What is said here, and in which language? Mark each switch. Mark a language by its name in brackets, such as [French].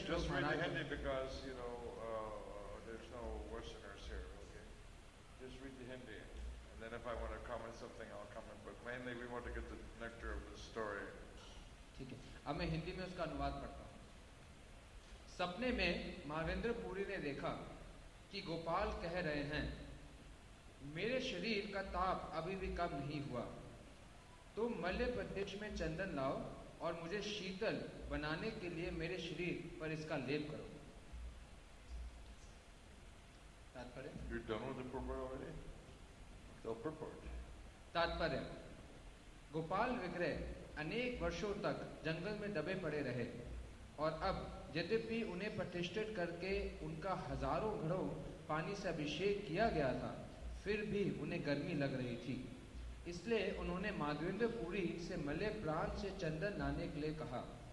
[English] just really handy because you know there's no Westerners here. Okay, just read the Hindi. Then if I want to comment something, I'll comment. But mainly, we want to get the nectar of the story. [Hindi] ठीक है, अब मैं हिंदी में उसका अनुवाद करता हूँ. सपने में महावेंद्र पुरी ने देखा कि गोपाल कह रहे हैं, मेरे शरीर का ताप अभी भी कम नहीं हुआ. तुम मल्ले प्रदेश में चंदन लाओ और मुझे शीतल बनाने के लिए मेरे शरीर पर इसका लेप करो. [English] You're done with the program already? So purport. [Hindi] तात्पर्य गोपाल विग्रह अनेक वर्षों तक जंगल में दबे पड़े रहे और अब यद्यपि उन्हें प्रतिष्ठित करके उनका हजारों घड़ों पानी से अभिषेक किया गया था फिर भी उन्हें गर्मी लग रही थी इसलिए उन्होंने माधवेंद्रपुरी से मले प्रांत से चंदन लाने के लिए कहा